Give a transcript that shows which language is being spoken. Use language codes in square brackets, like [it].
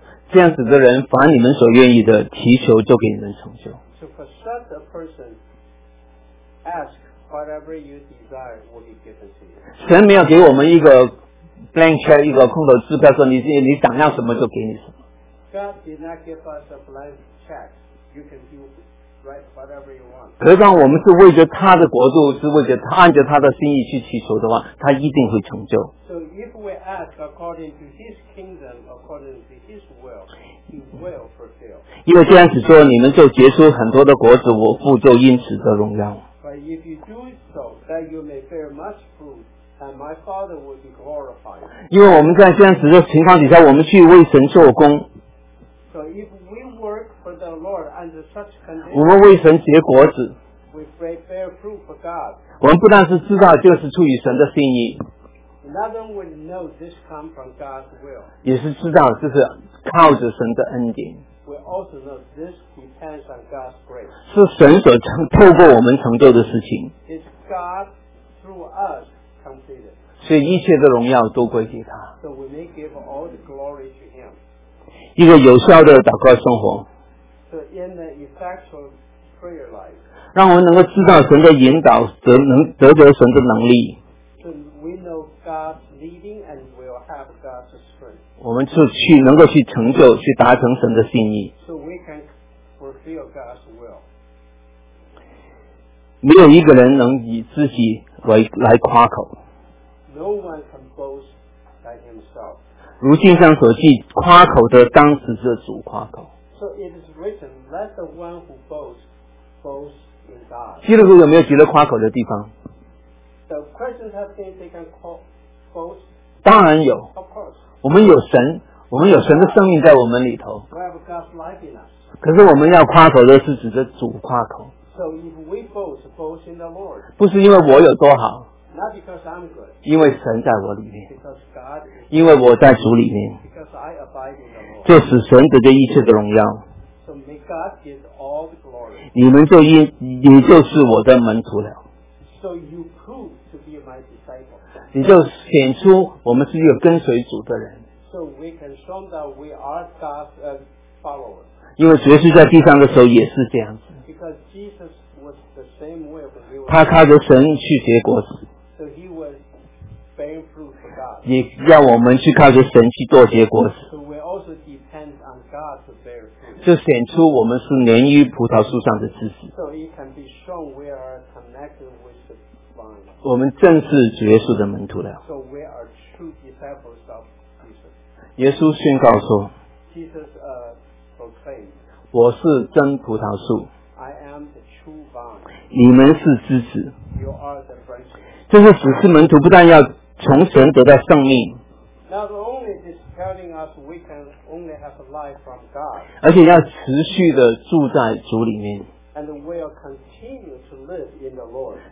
[zh] 这样子的人，凡你们所愿意的祈求，就给你们成就。 [en] So for such a person, ask whatever you desire will be given to you. [zh] 神没有给我们一个。 [en] blank check [zh] 一个空头支票说 你想要什么就给你什么 [en] God did not give us a blank check you can do write whatever you want [zh] 可是当我们是为着他的国度是为着他按着他的心意去祈求的话他一定会成就 [en] So if we ask according to his kingdom according to his will he will fulfill [zh] 因为这样子说你们就结出很多的果子我父就因此得荣耀 [en] But if you do so that you may bear much fruitAnd my father will be glorified. [zh] 因为我们在这样子的情况底下，我们去为神做工。 [en] So if we work for the Lord under such conditions, [zh] 我们为神结果子。 [en] We bear fruit for God. [zh] 我们不但是知道，就是出于神的心意。 [en] Not only we know this comes from God's will. [zh] 也是知道，就是靠着神的恩典。 [en] We also know this depends on God's grace. [zh] 是神所透过我们成就的事情。 [en] It's God through us. [zh] 所以一切的荣耀都归给他。 [en] So we may give all the glory to him. [zh] 一个有效的祷告生活。 [en] So in the effectual prayer life. [zh] 让我们能够知道神的引导，得神的能力。 [en] So we know God's leading and we'll have God's strength. [zh] 我们是去能够去成就，去达成神的心意。 [en] So we can fulfill God's will. [zh] 没有一个人能以自己来夸口。 [en] No one can boast by himself. [zh] 如经上所记，夸口的当时是主夸口。 [en] So it is written, let the one who boasts in God. [zh] 基督徒有没有值得夸口的地方 [en] ？The Christians have things they can boast. [zh] 当然有。 [en] Of course. [zh] 我们有神，我们有神的生命在我们里头。 [en] We have God's life in us. [zh] 可是我们要夸口的是指着主夸口。 [en] So if we boast in the Lord, [zh] 不是因为我有多好 [en] not because I'm good, [zh] 因为神在我里面 [en] because God is, [zh] 因为我在主里面 [en] because I abide in the Lord, [zh] 就使神得着一切的荣耀 [en] so may God get all the glory. [zh] 你就是我的门徒了 [en] so you prove to be my disciple. [zh] 你就显出我们是一个跟随主的人 [en] so we can show that we are God's followers. [zh] 因为主耶稣在地上的时候也是这样子。 [en] Because Jesus was the same way when he was. [zh] 他靠着神去结果子。 [en] So he was bearing fruit for God. [zh] 也要我们去靠着神去做结果子。 [en] So we also depend on God to bear fruit. [zh] 就显出我们是连于葡萄树上的枝子。 [en] So it can be shown we are connected with the vine. [zh] 我们正是主耶稣的门徒了。 [en] So we are true disciples of Jesus. [zh] 耶稣宣告说。 [en] Jesus, Proclaim, [zh] 我是真葡萄树 [en] I am the true vine. [zh] 你们是枝子 [en] you are the branches. [zh] 这些使徒门徒不但要从神得到生命 [en] Not only is telling us we can only have life from God, [zh] 而且要持续的住在主里面 [en] and will continue to live in the Lord,